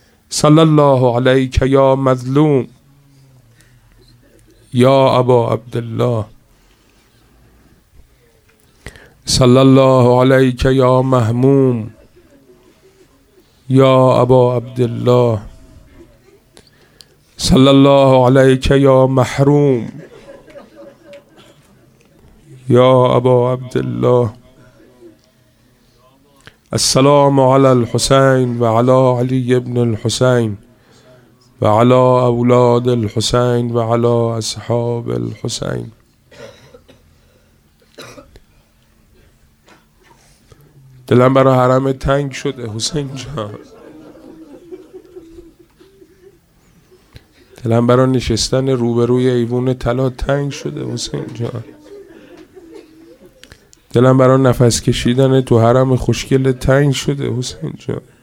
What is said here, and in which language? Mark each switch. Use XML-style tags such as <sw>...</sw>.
<ar>صلی الله علیک یا مظلوم یا ابا عبدالله، صلی الله علیک یا مهموم یا ابا عبدالله، صلی الله علیک یا محروم یا ابا عبدالله. السلام على الحسين وعلى علي بن الحسين وعلى أولاد الحسين وعلى أصحاب الحسين.</ar> <fa>دلم برا حرم تنگ شده حسین جان، دلم برا نشستن روبروی ایوون طلا تنگ شده حسین جان، دلم برای نفس کشیدن تو حرم خوشگل تنگ شده حسین جان.</fa>